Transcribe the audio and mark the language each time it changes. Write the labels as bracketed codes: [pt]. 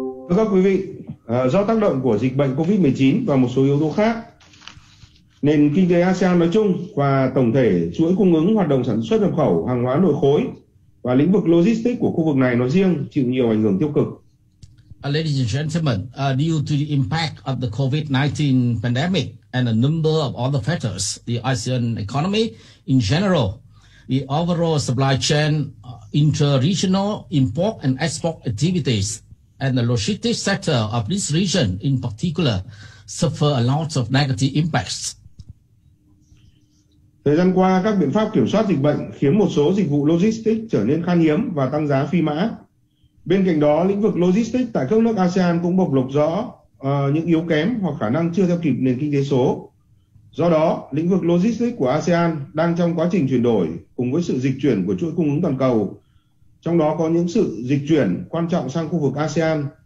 [vi] Thưa các quý vị, do tác động của dịch bệnh COVID-19 và một số yếu tố khác, nền kinh tế ASEAN nói chung và tổng thể chuỗi cung ứng hoạt động sản xuất nhập khẩu hàng hóa nội khối và lĩnh vực logistics của khu vực này nói riêng chịu nhiều ảnh hưởng tiêu cực. [en] Ladies and gentlemen, due to the impact of the COVID-19 pandemic and a number of other factors, the ASEAN economy in general, the overall supply chain, inter-regional import and export activities, and the logistics sector of this region in particular suffer a lot of negative impacts. [vi] Thời gian qua, các biện pháp kiểm soát dịch bệnh khiến một số dịch vụ logistics trở nên khan hiếm và tăng giá phi mã. Bên cạnh đó, lĩnh vực logistics tại các nước ASEAN cũng bộc lộ rõ những yếu kém hoặc khả năng chưa theo kịp nền kinh tế số. Do đó, lĩnh vực logistics của ASEAN đang trong quá trình chuyển đổi cùng với sự dịch chuyển của chuỗi cung ứng toàn cầu, trong đó có những sự dịch chuyển quan trọng sang khu vực ASEAN.